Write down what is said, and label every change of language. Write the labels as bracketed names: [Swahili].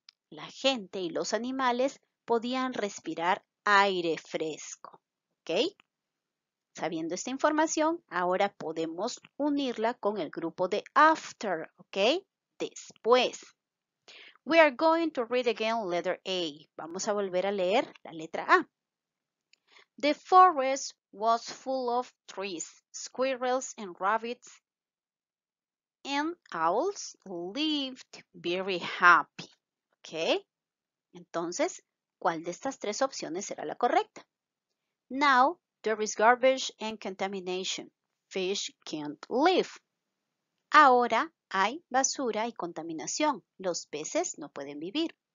[Spanish] La gente y los animales podían respirar aire fresco. ¿Ok? Sabiendo esta información, ahora podemos unirla con el grupo de after, ¿ok? Después. [English] We are going to read again letter A. [Spanish] Vamos a volver a leer la letra A. [English] The forest was full of trees, squirrels and rabbits, and owls lived very happy, ¿ok? [Spanish] Entonces, ¿cuál de estas tres opciones será la correcta? [English] Now, there is garbage and contamination. Fish can't live. [Spanish] Ahora hay basura y contaminación. Los peces no pueden vivir.